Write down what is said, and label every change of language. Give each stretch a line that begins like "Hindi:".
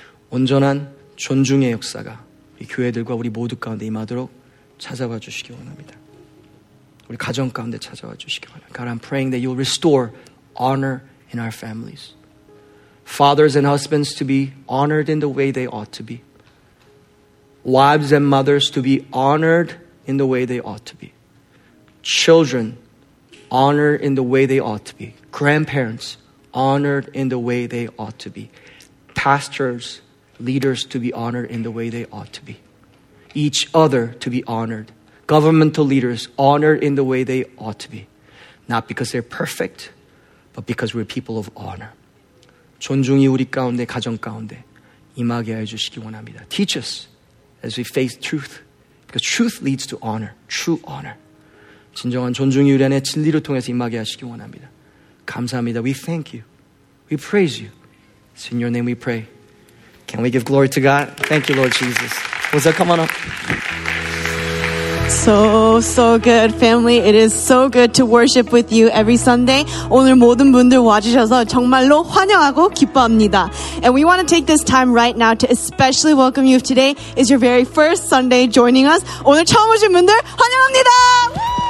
Korean: 온전한 존중의 역사가 이 교회들과 우리 모두 가운데 임하도록 찾아와 주시기 원합니다. 우리 가정 가운데 찾아와 주시기 원합니다.
English: God, I'm praying that you'll restore honor in our families. Fathers and husbands to be honored in the way they ought to be. Wives and mothers to be honored in the way they ought to be. Children, honored in the way they ought to be. Grandparents, honored in the way they ought to be. Pastors, leaders to be honored in the way they ought to be. Each other to be honored. Governmental leaders honored in the way they ought to be. not because they're perfect, but because we're people of honor.
Korean: 존중이 우리 가운데, 가정 가운데 임하게 하여 주시기 원합니다.
English: Teach us as we face truth, because truth leads to honor, true honor.
Korean: 진정한 존중이 우리 안에 진리를 통해서 임하게 하시기 원합니다. 감사합니다.
English: We thank you. We praise you. It's in your name we pray. Can we give glory to God? Thank you, Lord Jesus. What's up? Come on up. So good, family. It is so good to worship with you every Sunday.
Korean: 오늘 모든 분들 와주셔서 정말로 환영하고 기뻐합니다.
English: And we want to take this time right now to especially welcome you if today is your very first Sunday joining us.
Korean: 오늘 처음 오신 분들 환영합니다!